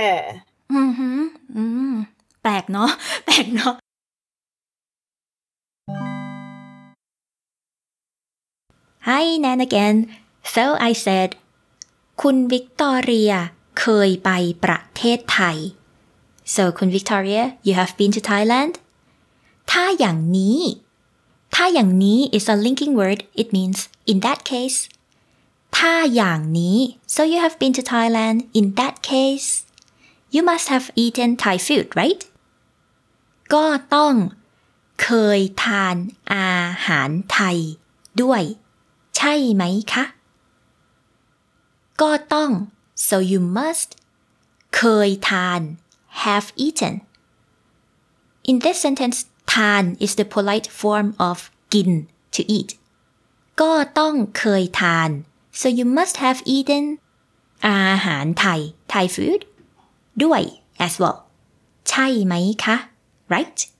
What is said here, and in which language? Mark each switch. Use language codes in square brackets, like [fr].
[en] อือหืออืม [th] แปลกเนาะแปลกเนาะ [en] Hi, Nan again. So I said, คุณ Victoria [th] เคยไปประเทศไทย. [en] So, คุณ Victoria, you have been to Thailand? [th] ถ้าอย่างนี้ ถ้าอย่างนี้ [en] is a linking word. It means in that case. [th] ถ้าอย่างนี้ [en] So you have been to Thailand in that case. You must have eaten Thai food, right? [th] ก็ต้องเคยทานอาหารไทยด้วยใช่ไหมคะ [en] ก็ต้อง so you must เคยทาน have eaten in this sentence ทาน is the polite form of กิน to eat [th] ก็ต้องเคยทาน [en] so you must have eaten อาหารไทย Thai food ด้วย as well [th] ใช่ไหมคะ [en] right